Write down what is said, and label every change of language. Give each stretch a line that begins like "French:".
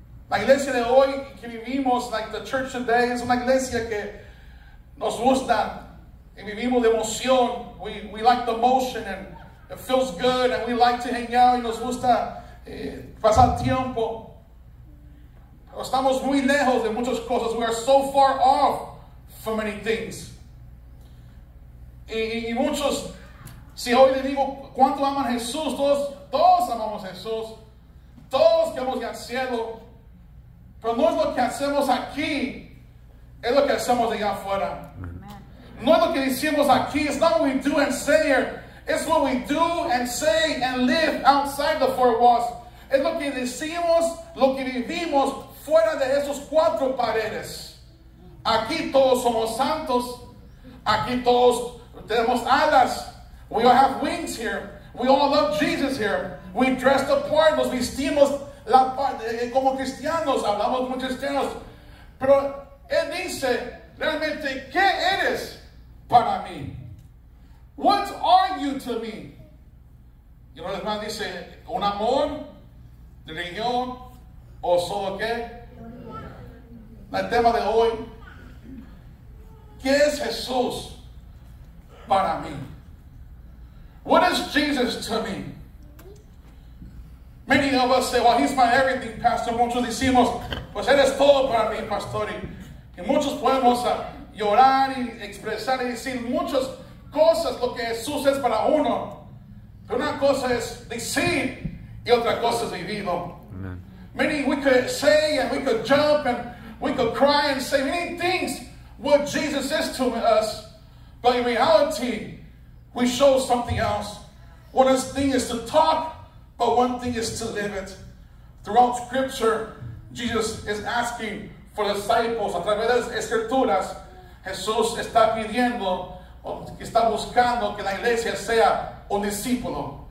Spanish: La iglesia de hoy que vivimos,
English: like the church today,
Spanish: es una iglesia que nos gusta y vivimos de emoción.
English: We like the motion and it feels good and we like to hang out
Spanish: y nos gusta pasar tiempo. Pero estamos muy lejos de muchas cosas.
English: We are so far off from many things.
Spanish: Y muchos, si hoy le digo cuánto aman a Jesús, todos amamos a Jesús. Todos queremos ir al cielo. Pero no es lo que hacemos aquí, es lo que hacemos allá afuera.
English: Amen.
Spanish: No es lo que decimos aquí,
English: it's not what we do and say here. It's what we do and say and live outside the four walls.
Spanish: Es lo que decimos, lo que vivimos fuera de esos cuatro paredes. Aquí todos somos santos. Aquí todos tenemos alas.
English: We all have wings here. We all love Jesus here. We dress the part,
Spanish: nos vestimos la parte, como cristianos,
English: hablamos como cristianos.
Spanish: Pero él dice, realmente, ¿qué eres para mí?
English: What are you to me?
Spanish: Y los demás dice, ¿un amor? ¿Religión? ¿O solo qué? El tema de hoy, ¿qué es Jesús para mí?
English: What is Jesus to me? Many of us say, well, he's my everything, Pastor.
Spanish: Muchos decimos, pues eres todo para mí, Pastor. Y muchos podemos llorar y expresar y decir muchas cosas lo que Jesús es para uno. Pero una cosa es decir y otra cosa es vivirlo.
English: Many we could say and we could jump and we could cry and say many things what Jesus is to us. But in reality, we show something else. One thing is to talk, but one thing is to live it. Throughout Scripture, Jesus is asking for disciples.
Spanish: A través de las Escrituras, Jesús está pidiendo, está buscando que la iglesia sea un discípulo.